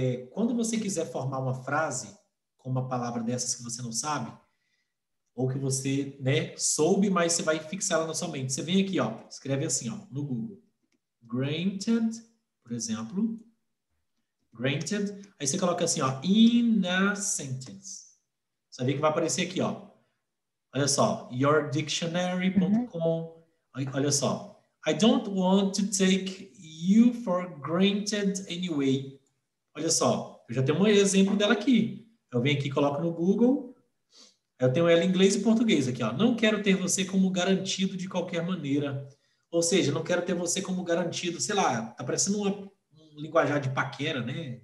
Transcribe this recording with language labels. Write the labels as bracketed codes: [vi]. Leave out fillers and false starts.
[pt] Quando você quiser formar uma frase com uma palavra dessas que você não sabe, ou que você, né, soube, mas você vai fixar ela na sua mente. Você vem aqui, ó, escreve assim, ó, no Google. Granted, por exemplo. Granted. Aí você coloca assim, ó, [en] in a sentence. [pt] Você vai ver que vai aparecer aqui, ó. Olha só, yourdictionary.com. Olha só. [en] I don't want to take you for granted anyway. [pt] Olha só, eu já tenho um exemplo dela aqui. Eu venho aqui e coloco no Google. Eu tenho ela em inglês e português aqui, ó. Não quero ter você como garantido de qualquer maneira. Ou seja, não quero ter você como garantido, sei lá, tá parecendo um linguajar de paquera, né?